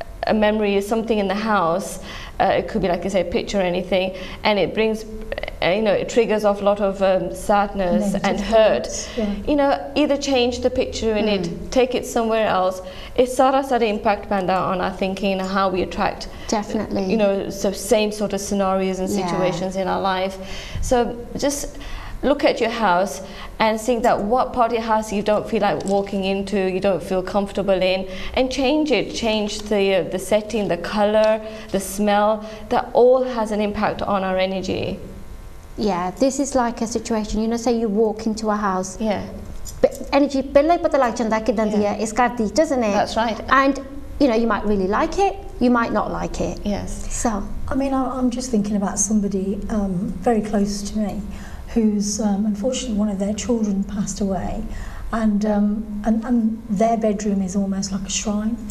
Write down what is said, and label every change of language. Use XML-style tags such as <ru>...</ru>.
<en>Uh memory is something in the house it could be like you say picture anything and it brings you know it triggers off a lot of sadness negative and hurt yeah. you know either change the picture in it take it somewhere else it</en> <pa>sara impact panda</pa> <en>on our thinking how we attract definitely you know so same sort of scenarios and situations yeah. in our life so just look at your house and think that what part of your house you don't feel like walking into you don't feel comfortable in and change it change the setting the color the smell that all has an impact on our energy Yeah, this is like a situation, you know, say you walk into a house. Yeah.</en> <pa>Energy, ਪਹਿਲਾਂ ਪਤਾ ਲੱਗ ਜਾਂਦਾ ਕਿੱਦਾਂ ਦੀ ਹੈ, ਇਸ ਘਰ ਦੀ,</pa> <en>doesn't it? That's right. And, you know, you might really like it, you might not like it. Yes. So. I mean, I'm just thinking about somebody very close to me who's, unfortunately, one of their children passed away. And their bedroom is almost like a shrine.</en>